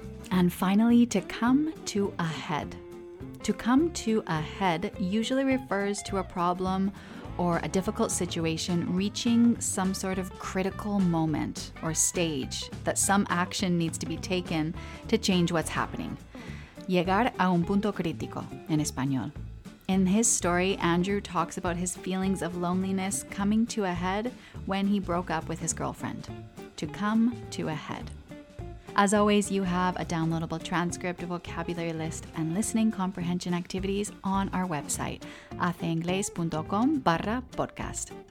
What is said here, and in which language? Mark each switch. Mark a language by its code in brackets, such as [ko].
[en] And finally, to come to a head. To come to a head usually refers to a problem or a difficult situation reaching some sort of critical moment or stage that some action needs to be taken to change what's happening. [es] Llegar a un punto crítico en español. [en] In his story, Andrew talks about his feelings of loneliness coming to a head when he broke up with his girlfriend. To come to a head. As always, you have a downloadable transcript, vocabulary list, and listening comprehension activities on our website, haceinglés.com/podcast.